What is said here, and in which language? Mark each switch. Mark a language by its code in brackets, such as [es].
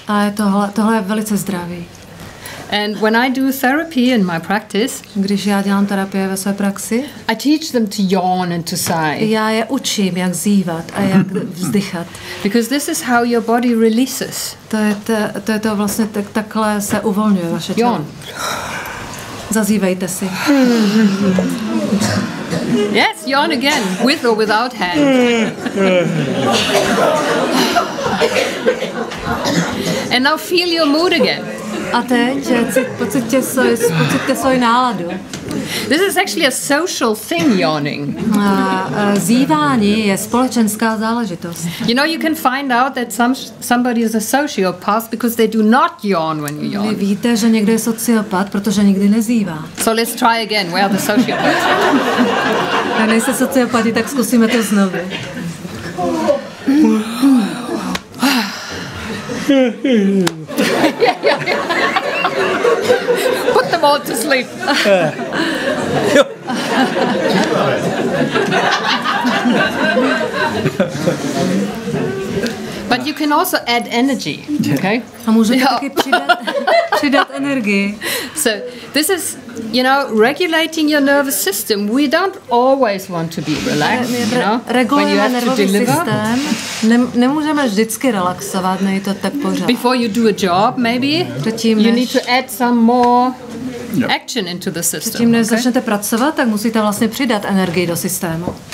[cs] A tohle je velice zdravý. [en] And when I do therapy in my practice, [cs] když já dělám terapie ve své praxi, [en] I teach them to yawn and to sigh. [cs] Já je učím, jak zívat a jak vzdychat. [en] Because this is how your body releases. [cs] To je to vlastně takhle se uvolňuje vaše tělo. [en] Yawn. [cs] Zazívejte si. [en] Yes, yawn again, with or without hands. And now feel your mood again. [cs] A teď pocitě svoji náladu. [en] This is actually a social thing, yawning. [cs] A zívání je společenská záležitost. [en] You know, you can find out that somebody is a sociopath because they do not yawn when you yawn. [cs] Vy víte, že někdo je sociopat, protože nikdy nezívá. [en] So let's try again. Where are the sociopaths? [cs] A nejste sociopati, tak zkusíme to znovu. [en] Put them all to sleep. But you can also add energy, okay? [cs] A můžete taky přidat energii. [en] So this is, you know, regulating your nervous system. We don't always want to be relaxed, you know, when you have to deliver. [cs] Nemůžeme vždycky relaxovat, nejde to tak pořád. [en] Before you do a job, maybe, you need to add some more action into the system. [cs] Předtím, než začnete pracovat, tak musíte vlastně přidat energii do systému.